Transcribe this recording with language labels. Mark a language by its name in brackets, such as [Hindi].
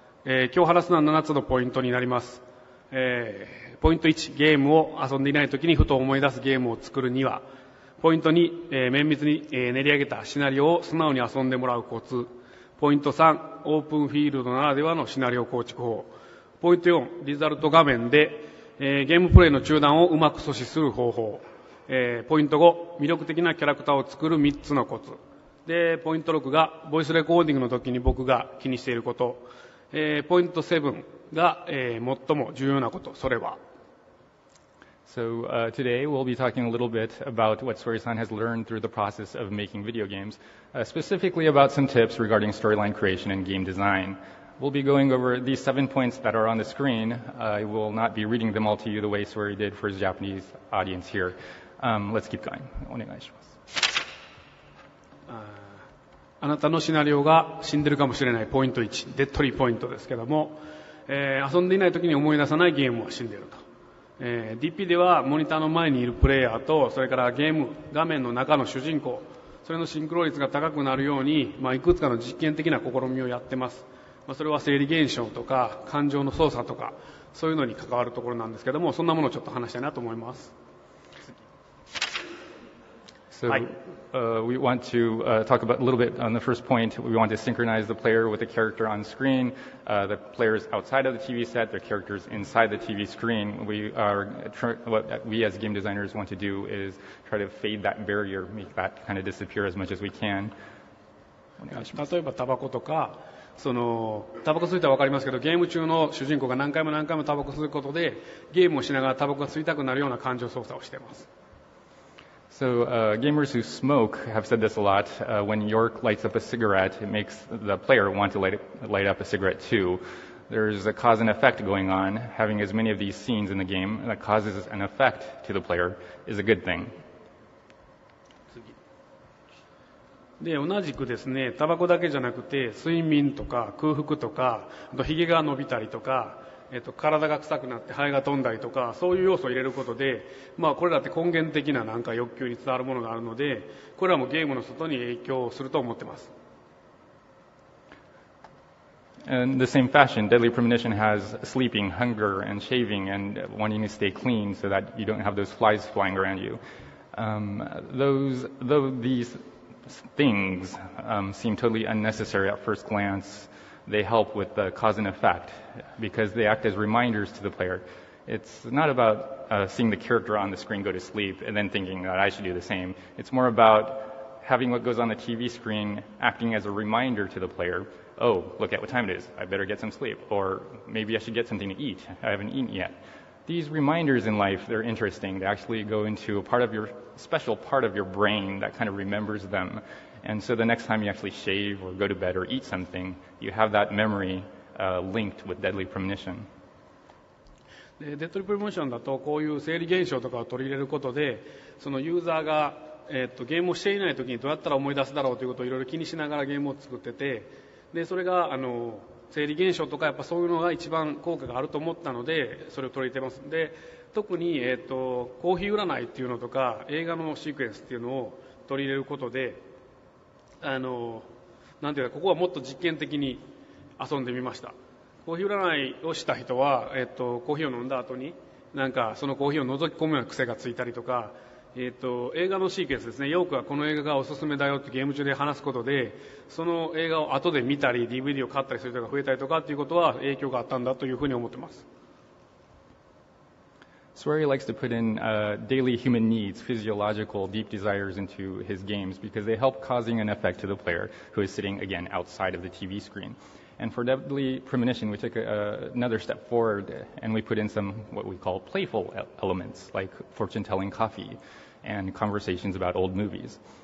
[Japanese] 今日話すのは7つのポイントになります。ポイント1、ゲームを遊んでいない時にふと思い出すゲームを作るには、ポイント2、綿密に練り上げたシナリオを素直に遊んでもらうコツ、ポイント3、オープンフィールドならではのシナリオ構築法、ポイント4、リザルト画面で、ゲームプレイの中断をうまく阻止する方法、ポイント5、魅力的なキャラクターを作る3つのコツ、でポイント6が、ボイスレコーディングの時に僕が気にしていること、ポイント7、が、最も重要なこと、それは。 [English] So, today we'll be talking a little bit about what Sori-san has learned through the process of making video games, specifically about some tips regarding storyline creation and game design. We'll be going over these 7 points that are on the screen. I will not be reading them all to you the way Sori did for his Japanese audience here. Let's keep going. [Japanese] お願いします。あなたのシナリオが死んでるかもしれないポイント1、デッドリーポイントですけども、遊んでいないときに思い出さないゲームは死んでいると、DP ではモニターの前にいるプレイヤーとそれからゲーム画面の中の主人公、それのシンクロ率が高くなるように、まあ、いくつかの実験的な試みをやってます。まあ、それは生理現象とか感情の操作とかそういうのに関わるところなんですけども、そんなものをちょっと話したいなと思います。 [English] So, we want to talk about a little bit on the first point. We want to synchronize the player with the character on screen. The player is outside of the TV set, the character is inside the TV screen. What we as game designers want to do is try to fade that barrier, make that kind of disappear as much as we can. [Japanese] 例えばタバコとか、そのタバコ吸いたら分かりますけど、ゲーム中の主人公が何回も何回もタバコ吸うことで、ゲームをしながらタバコが吸いたくなるような感情操作をしています。 [English] So, gamers who smoke have said this a lot. When York lights up a cigarette, it makes the player want to light up a cigarette too. There's a cause and effect going on. Having as many of these scenes in the game that causes an effect to the player is a good thing. [Japanese] で、同じくですね、タバコだけじゃなくて、睡眠とか空腹とか、ひげが伸びたりとか、体が臭くなって肺が飛んだりとか、そういう要素を入れることで、まあ、これらって根源的な何か欲求に伝わるものがあるので、これらもゲームの外に影響すると思ってます。 [English] In the same fashion, Deadly Premonition has sleeping, hunger, and shaving, and wanting to stay clean so that you don't have those flies flying around you. Though these things seem totally unnecessary at first glance,They help with the cause and effect because they act as reminders to the player. It's not about seeing the character on the screen go to sleep and then thinking that I should do the same. It's more about having what goes on the TV screen acting as a reminder to the player. Oh, look at what time it is. I better get some sleep. Or maybe I should get something to eat. I haven't eaten yet. These reminders in life, they're interesting. They actually go into a part of your, special part of your brain that kind of remembers them. And so the next time you actually shave or go to bed or eat something, you have that memory linked with Deadly Premonition. [Japanese] Deadly Premonition だとこういう生理現象とかを取り入れることで、そのユーザーが、ゲームをしていないときにどうやったら思い出すだろうということをいろいろ気にしながらゲームを作ってて、でそれが生理現象とかやっぱそういうのが一番効果があると思ったのでそれを取り入れてますんで、特に、コーヒー占いっていうのとか映画のシークエンスっていうのを取り入れることで。なんていうか、ここはもっと実験的に遊んでみました。コーヒー占いをした人は、コーヒーを飲んだ後になんかそのコーヒーを覗き込むような癖がついたりとか、映画のシークエンスですね、ヨークはこの映画がおすすめだよってゲーム中で話すことで、その映画を後で見たり DVD を買ったりする人が増えたりとかっていうことは影響があったんだというふうに思ってます。 [English] Swery likes to put in daily human needs, physiological, deep desires into his games because they help causing an effect to the player who is sitting, again, outside of the TV screen. And for Deadly Premonition, we took another step forward and we put in some what we call playful elements like fortune-telling coffee and conversations about old movies.